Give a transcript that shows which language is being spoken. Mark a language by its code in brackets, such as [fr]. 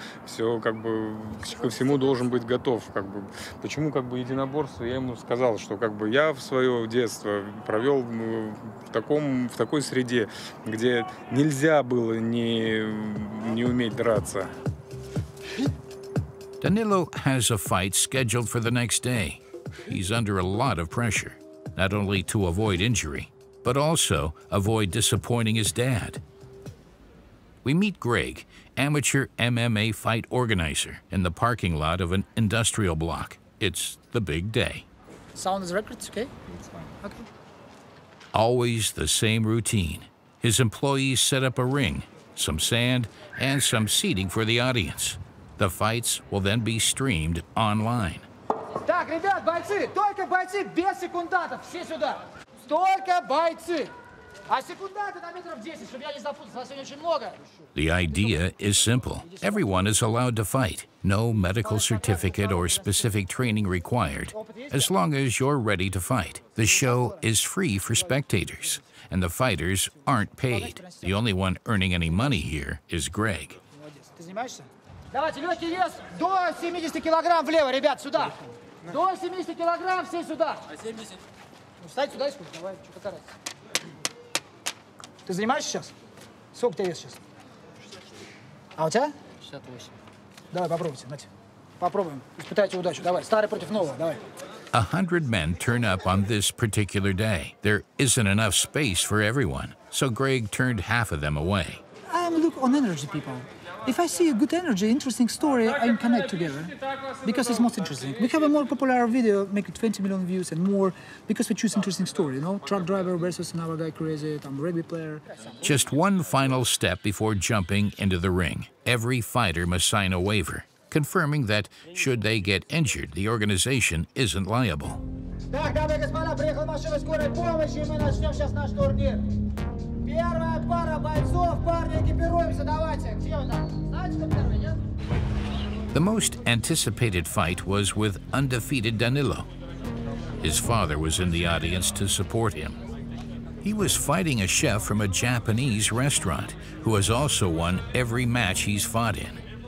[ru] Все, как бы, ко всему должен быть готов, как бы. Почему, как бы, единоборство? Я ему сказал, что, как бы, я в свое детство провел в такой среде, где нельзя было не уметь драться. [en] Danilo has a fight scheduled for the next day. He's under a lot of pressure, not only to avoid injury, but also avoid disappointing his dad. We meet Greg, amateur MMA fight organizer, in the parking lot of an industrial block. It's the big day. Sound is records, okay? It's fine. Okay. Always the same routine. His employees set up a ring, some sand, and some seating for the audience. The fights will then be streamed online. [ru] Так, ребят, бойцы, только бойцы без секундантов, все сюда. Только бойцы. А секунданты на метров 10, чтобы я не запутался, вас сегодня очень много. [en] The idea is simple. Everyone is allowed to fight. No medical certificate or specific training required. As long as you're ready to fight. The show is free for spectators, and the fighters aren't paid. The only one earning any money here is Greg. [ru] Давайте, легкий вес до 70 килограмм влево, ребят, сюда. До 70 килограмм, все сюда. А 70? Ну, встать сюда и сюда, давай, что какая разница. Ты занимаешься сейчас? Сколько у тебя вес сейчас? 64. А у тебя? 68. Давай, попробуйте, знаете. Попробуем, испытайте удачу. Давай, старый против нового, давай. [en] 100 men turn up on this particular day. There isn't enough space for everyone, so Greg turned half of them away. I look on energy people. If I see a good energy, interesting story, I connect together. Because it's most interesting. We have a more popular video, make it 20 million views and more, because we choose interesting story, you know? Truck driver versus another guy crazy, I'm a rugby player. Just one final step before jumping into the ring. Every fighter must sign a waiver, confirming that should they get injured, the organization isn't liable. [ru] Так, дамы и господа, приехала машина скорой помощи, и мы начнем сейчас наш турнир. Первая пара бойцов, парни, экипируемся, давайте. Где он там? Знаете, кто первый, нет? [en] The most anticipated fight was with undefeated Danilo. His father was in the audience to support him. He was fighting a chef from a Japanese restaurant who has also won every match he's fought in.